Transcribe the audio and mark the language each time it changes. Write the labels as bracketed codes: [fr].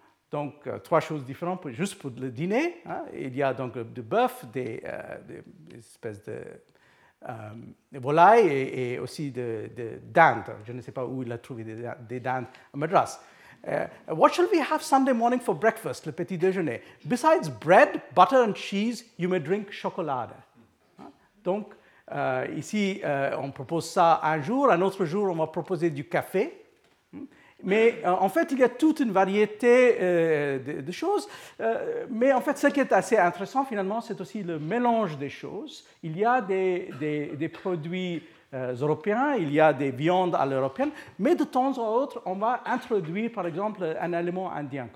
[fr] Donc, trois choses différentes juste pour le dîner. Il y a donc du bœuf, des espèces de volailles et aussi de dindes. Je ne sais pas où il a trouvé des dindes à Madras. [en] What shall we have Sunday morning for breakfast, [fr] le petit déjeuner? [en] Besides bread, butter and cheese, you may drink chocolade. [fr] Donc, ici, on propose ça un jour. Un autre jour, on va proposer du café. Mais en fait, il y a toute une variété de choses. Mais en fait, ce qui est assez intéressant, finalement, c'est aussi le mélange des choses. Il y a des produits européens, il y a des viandes à l'européenne, mais de temps en autre, on va introduire, par exemple, un élément indien.